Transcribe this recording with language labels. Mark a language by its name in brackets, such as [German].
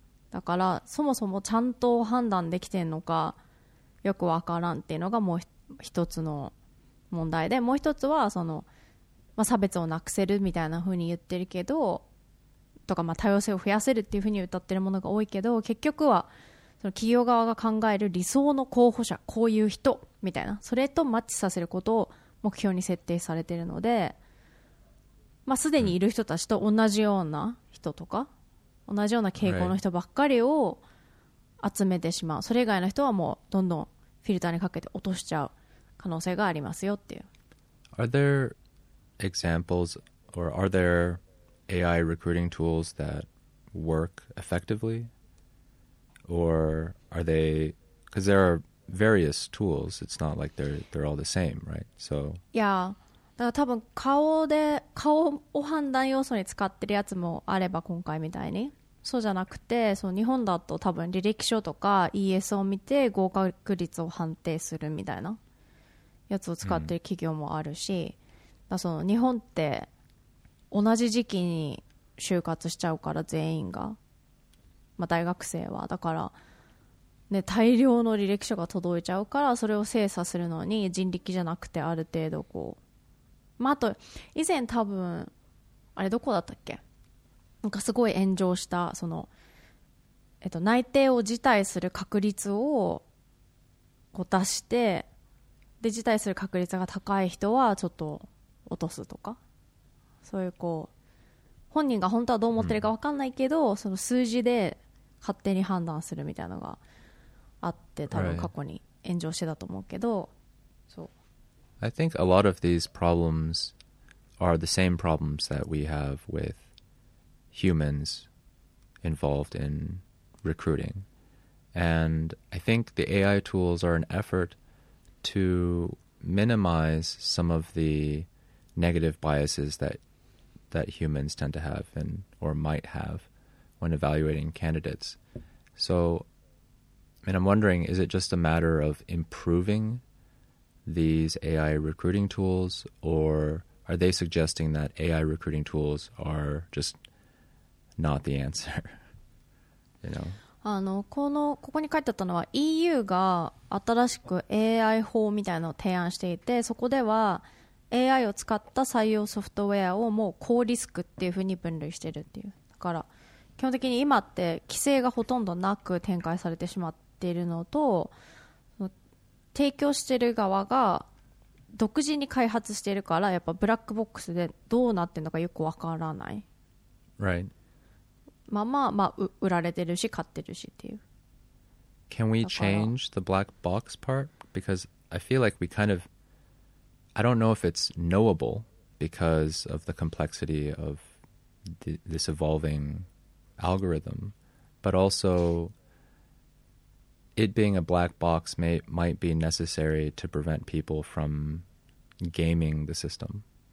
[Japanese] だからそもそもちゃんと判断できてんのかよくわからんっていうのがもう一つの問題で、もう一つはその、まあ、差別をなくせるみたいな風に言ってるけど、とか、まあ多様性を増やせるっていう風に歌ってるものが多いけど、結局はその企業側が考える理想の候補者、こういう人みたいな、それとマッチさせることを目標に設定されているので、まあ、すでにいる人たちと同じような人とか、うん、同じような傾向の人ばっかりを集めてしまう、それ以外の人はもうどんどんフィルターにかけて落としちゃう可能性がありますよっていう。 [English] Are there examples or are there AI recruiting tools that work effectively? Or are they, because there areVarious tools. It's not like they're all the same, right? So yeah, [Japanese] だから多分顔を判断要素に使ってるやつもあれば、今回みたいにそうじゃなくて、その日本だと多分履歴書とか ES を見て合格率を判定するみたいなやつを使ってる企業もあるし、だその日本って同じ時期に就活しちゃうから全員が、まあ、大学生はだからね、大量の履歴書が届いちゃうから、それを精査するのに人力じゃなくてある程度こう、まあ、あと以前多分あれどこだったっけ、なんかすごい炎上したその、内定を辞退する確率をこう出してで辞退する確率が高い人はちょっと落とすとか、そういうこう本人が本当はどう思ってるか分かんないけど、うん、その数字で勝手に判断するみたいなのがあって、多分過去に炎上してたと思うけど、 [English] right. [Japanese] そう。 [English] I think a lot of these problems are the same problems that we have with humans involved in recruiting. And I think the AI tools are an effort to minimize some of the negative biases that humans tend to have and or might have when evaluating candidates. So, and I'm wondering, is it just a matter of improving these AI recruiting tools, or are they suggesting that AI recruiting tools are just not the answer? You know? [Japanese] あの、この、ここに書いてあったのは EU が新しく AI 法みたいなのを提案していて、そこでは AI を使った採用ソフトウェアをもう高リスクっていうふうに分類してるっていう。だから基本的に今って規制がほとんどなく展開されてしまっているのと、提供している側が独自に開発しているから、やっぱブラックボックスでどうなってるのかよくわからない。 [English] Right. [Japanese] まあまあ、まあ、売られてるし買ってるしっていう。 [English] Can we change the black box part? Because I feel like we kind of, I don't know if it's knowable because of the complexity of this evolving algorithm, but also it being a black box might be necessary to prevent people from gaming the system.